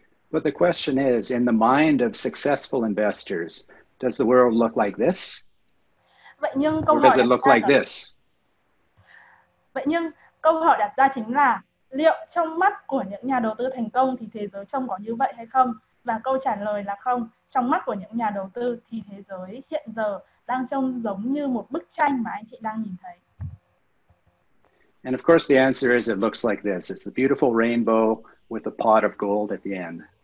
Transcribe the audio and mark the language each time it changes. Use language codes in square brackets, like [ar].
[en] But the question is, in the mind of successful investors, does the world look like this? [vi] Vậy nhưng câu [en] or does it look like this? [vi] Vậy nhưng câu hỏi đặt ra chính là liệu trong mắt của những nhà đầu tư thành công thì thế giới trông có như vậy hay không? Và câu trả lời là không. Trong mắt của những nhà đầu tư thì thế giới hiện giờ đang trông giống như một bức tranh mà anh chị đang nhìn thấy. [en] And of course the answer is it looks like this. It's the beautiful rainbow with a pot of gold at the end.